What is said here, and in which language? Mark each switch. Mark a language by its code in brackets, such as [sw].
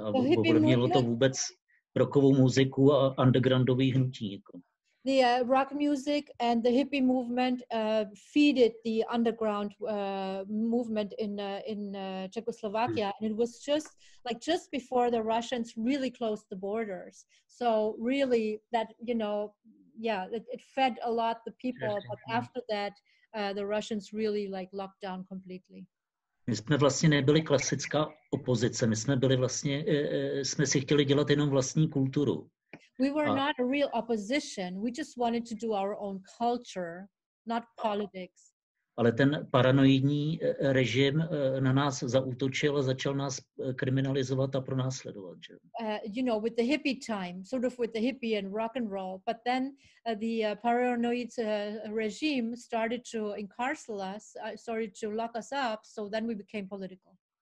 [cs] A mělo to vůbec rockovou muziku a undergroundový hnutí. [en] The rock music and the hippie movement feeded the underground movement in Czechoslovakia. And it was just like just before the Russians really closed the borders. So really that, you know, yeah, it fed a lot the people. But after that, the Russians really like locked down completely. [cs] My jsme vlastně nebyli klasická opozice, my jsme byli vlastně, jsme si chtěli dělat jenom vlastní kulturu. [en] We were not a real opposition, we just wanted to do our own culture, not politics. [cs] Ale ten paranoidní režim na nás zaútočil a začal nás kriminalizovat a pronásledovat. [en] You know, with the hippie time, sort of with the hippie and rock and roll, but then the paranoid regime started to incarcerate us, started to lock us up, so then we became political.